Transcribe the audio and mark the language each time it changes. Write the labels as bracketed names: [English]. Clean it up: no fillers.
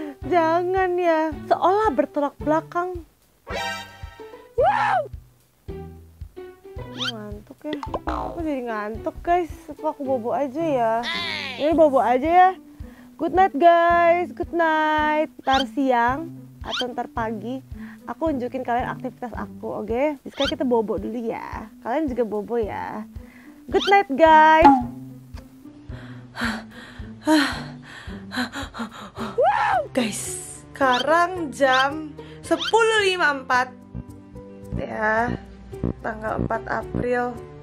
[Indonesian] Jangan ya, seolah bertolak belakang. Ngantuk ya, aku jadi ngantuk guys, apa aku bobo aja ya. Ini bobo aja ya. [English] Good night guys, good night. [Indonesian] Ntar siang atau ntar pagi, aku nunjukin kalian aktivitas aku, oke? Okay? Sekarang kita bobo dulu ya, kalian juga bobo ya. [English] Good night guys. [Indonesian] Wow, guys, sekarang jam 10.54 ya, tanggal 4 April.